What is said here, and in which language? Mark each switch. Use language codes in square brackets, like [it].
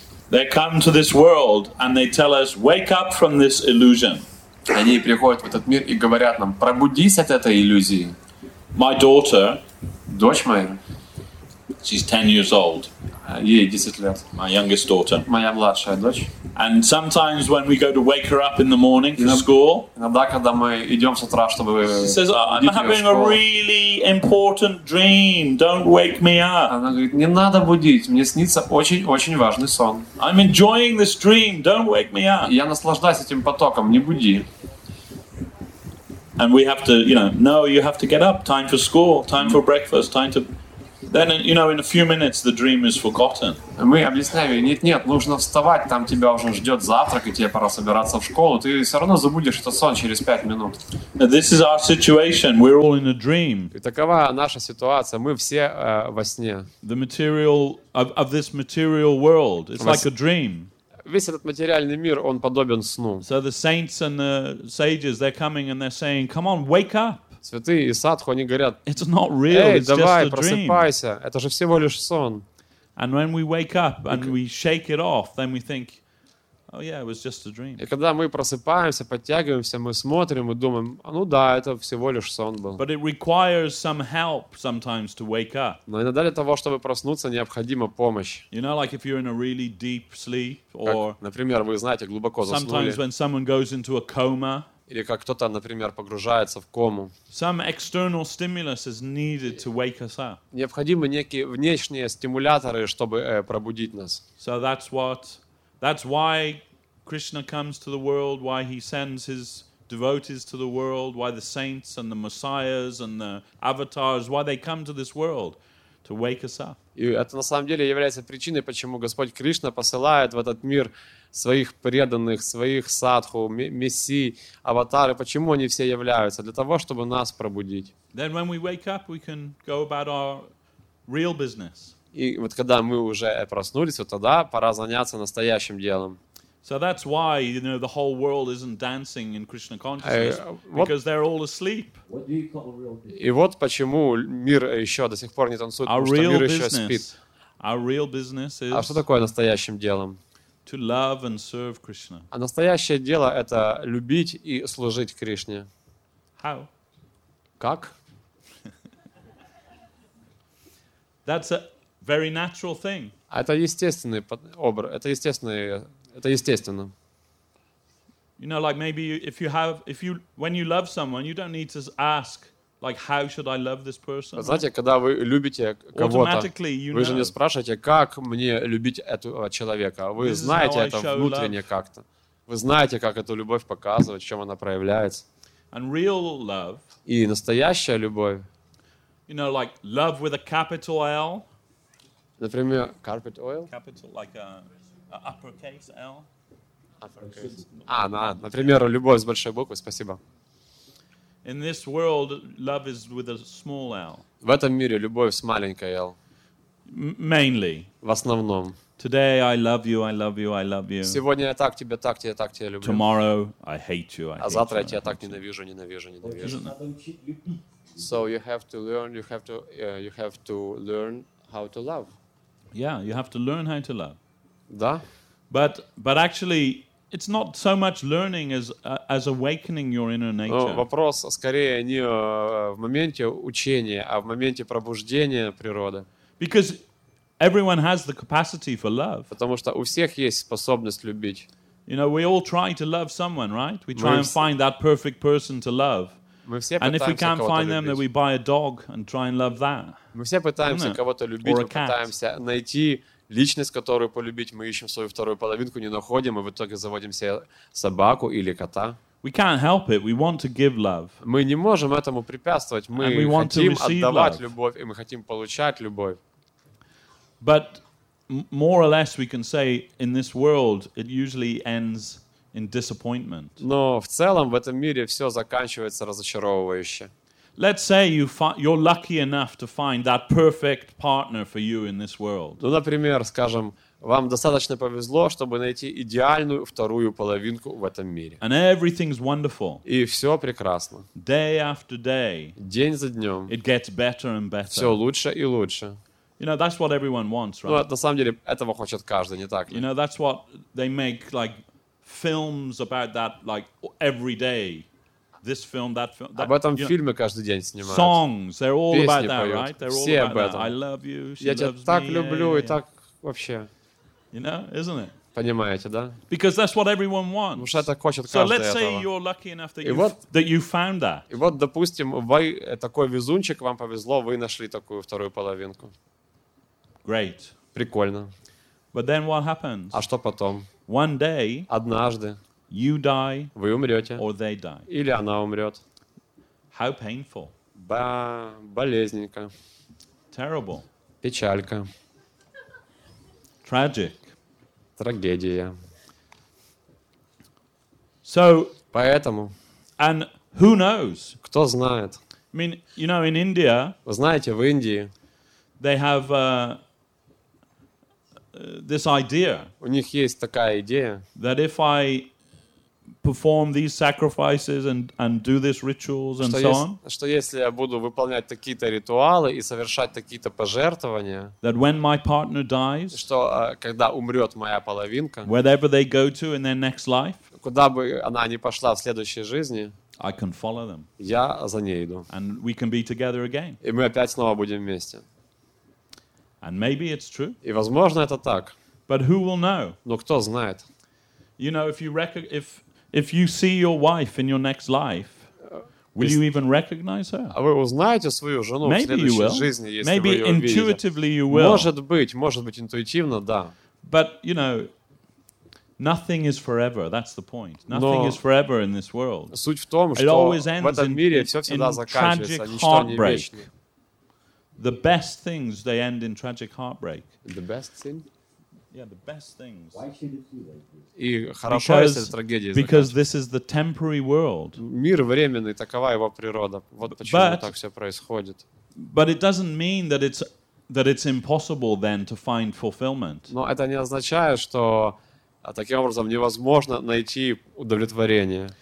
[en] they come to this world and they tell us, wake up from this illusion. [ru] Они приходят в этот мир и говорят нам, пробудись от этой иллюзии. [en] My daughter, [ru] дочь моя, [en] she's 10 years old. [ru] Ей 10 лет. [en] My youngest daughter. [ru] Моя младшая дочь. [en] And sometimes when we go to wake her up in the morning for school, [ru] иногда, когда мы идем с утра, чтобы [en] she says, I'm having a really important dream. Don't wake me up. [ru] Она говорит, не надо будить. Мне снится очень-очень важный сон. [en] I'm enjoying this dream. Don't wake me up. [ru] Я наслаждаюсь этим потоком. Не буди. [en] And we have to, you have to get up. Time for school. Time for breakfast. Time to... Then, in a few minutes, the dream is forgotten. [ru] Мы объясняем ей, нет, нужно вставать, там тебя уже ждет завтрак, и тебе пора собираться в школу, ты все равно забудешь этот сон через 5 минут. [en] This is our situation, we're all in a dream. [ru] И такова наша ситуация, мы все во сне. [en] The material, of this material world, it's like a dream. [ru] Весь этот материальный мир, он подобен сну. [en] So the saints and the sages, they're coming and they're saying, come on, wake up. [ru] Святые и садху, они говорят, [en] it's not real, [ru] эй, [en] it's [ru] давай, [en] just a [ru] просыпайся, [en] dream. [ru] Это же всего лишь сон. [en] And when we wake up and we shake it off, then we think, Oh yeah, it was just a dream. [ru] И когда мы просыпаемся, подтягиваемся, мы смотрим и думаем: ну да, это всего лишь сон был. [en] But it requires some help sometimes to wake up. [ru] Но иногда для того, чтобы проснуться, необходима помощь. [en] You know, like if you're in a really deep sleep, or [ru] например, вы знаете, глубоко заснули. [en] Sometimes when someone goes into a coma. [ru] Или как кто-то, например, погружается в кому. [en] Some external stimulus is needed to wake us up. [ru] Необходимы некие внешние стимуляторы, чтобы пробудить нас. [en] So that's why Krishna comes to the world, why he sends his devotees to the world, why the saints and the messiahs and the avatars, why they come to this world to wake us up. [ru] И это на самом деле является причиной, почему Господь Кришна посылает в этот мир своих преданных, своих садху, мессии, аватары. Почему они все являются? Для того, чтобы нас пробудить. [en] Then when we wake up, we can go about our real business. [ru] И вот когда мы уже проснулись, вот тогда пора заняться настоящим делом. [en] So that's why, you know, the whole world isn't dancing in Krishna consciousness, because they're all asleep. What do you call real business? [ru] И вот почему мир еще до сих пор не танцует, потому что мир еще спит. [en] Our real business is... [ru] А что такое настоящим делом? [en] To love and serve Krishna. [ru] А настоящее дело — это любить и служить Кришне. [en] How? [ru] Как? [en] That's a very natural thing. [ru] Это естественный образ, это естественное, это естественно. [en] You know, like maybe when you love someone, you don't need to ask, like, how should I love this person? [ru] Знаете, когда вы любите кого-то, вы же не спрашиваете, как мне любить этого человека. Вы знаете это внутренне как-то. Вы знаете, как эту любовь показывать, в чем она проявляется. [en] And real love. [ru] И настоящая любовь. [en] You know, like love with a capital L. [ru] Например, [en] carpet oil. Capital, like a uppercase L. Uppercase. [ru] А, да. Например, любовь с большой буквы. Спасибо. [en] In this world, love is with a small L. [ru] В этом мире любовь с маленькой L. [en] Mainly. [ru] В основном. [en] Today I love you, I love you, I love you. [ru] Сегодня я так тебя, так тебя, так тебя люблю. [en] Tomorrow I hate you, I hate you. [ru] А завтра я тебя так ненавижу, ненавижу, ненавижу. [en] So you have to learn. You have to learn how to love. Yeah, you have to learn how to love. [ru] Да. [en] But actually, it's not so much learning as awakening your inner nature. [ru] Но вопрос скорее не в моменте учения, а в моменте пробуждения природы. [en] Because everyone has the capacity for love. [ru] Потому что у всех есть способность любить. [en] You know, we all try to love someone, right? We try and find that perfect person to love. And if we can't find them, then we buy a dog and try and love that. [ru] Мы все пытаемся кого-то любить, мы пытаемся найти личность, которую полюбить, мы ищем свою вторую половинку, не находим, и в итоге заводим себе собаку или кота. [en] We can't help it. We want to give love. [ru] Мы не можем этому препятствовать. Мы хотим отдавать любовь, и мы хотим получать любовь. [en] But more or less, we can say in this world, it usually ends. In disappointment. [ru] Но в целом в этом мире все заканчивается разочаровывающе. [en] Let's say you're lucky enough to find that perfect partner for you in this world. [ru] Ну, например, скажем, вам достаточно повезло, чтобы найти идеальную вторую половинку в этом мире. [en] And everything's wonderful. [ru] И все прекрасно. [en] Day after day. [ru] День за днем. [en] It gets better and better. [ru] Все лучше и лучше. [en] You know, that's what everyone wants, right? [ru] Ну, на самом деле этого хочет каждый, не так ли? [en] You know, that's what they make like. Films about that, like every day, this film, that film. [ru] Об этом фильмы каждый день снимают. [en] Songs, they're all about that, right? [ru] Все об этом. [en] I love you, she me. [ru] Я тебя так люблю и так вообще. [en] You know, isn't it? [ru] Понимаете, да? [en] Because that's what everyone wants. [ru] Потому что это хочет каждый этого. [en] So let's say you're lucky enough that you found that. [ru] И вот, допустим, вы такой везунчик, вам повезло, вы нашли такую вторую половинку. [en] Great. [ru] Прикольно. [en] But then what happens? [ru] А что потом? [en] One day, [ru] однажды, [en] you die, [ru] вы умрете, [en] or they die. [ru] Или она умрет. [en] How painful. [ru] Болезненько. [en] Terrible. [ru] Печалька. [en] Tragic. [ru] Трагедия. [en] So, [ru] поэтому, [en] and who knows? [ru] Кто знает? [en] I mean, you know, in India, [ru] вы знаете, в Индии, [en] they have this idea. [ru] У них есть такая идея. [en] That if I perform these sacrifices and do these rituals and [ru] что [en] so on? [ru] Что если я буду выполнять такие-то ритуалы и совершать такие-то пожертвования? [en] That when my partner dies? [ru] Что когда умрет моя половинка? [en] Wherever they go to in their next life? [ru] Куда бы она ни пошла в следующей жизни? [en] I can follow them. [ru] Я за ней иду. [en] And we can be together again. [ru] И мы опять снова будем вместе. [en] And maybe it's true. [ru] И возможно это так. [en] But who will know? [ru] Но кто знает? [en] You know, if you see your wife in your next life, will you even recognize her? [ru] А вы узнаете свою жену в следующей жизни, если вы ее увидите? [en] Maybe intuitively you will. [ru] Может быть интуитивно, да. [en] But you know, nothing is forever. That's the point. Nothing is forever in this world. [ru] Суть в том, что в этом мире все всегда заканчивается, ничто не вечно. [en] The best things they end in tragic heartbreak. The best thing. Yeah, the best things. [ru] И хорошо, если трагедия заканчивается. [en] Because this is the temporary world. [ru] Мир временный, такова его природа. Вот почему так все происходит. [en] But it doesn't mean that it's impossible then to find fulfillment. [ru] Но это не означает, что таким образом невозможно найти удовлетворение.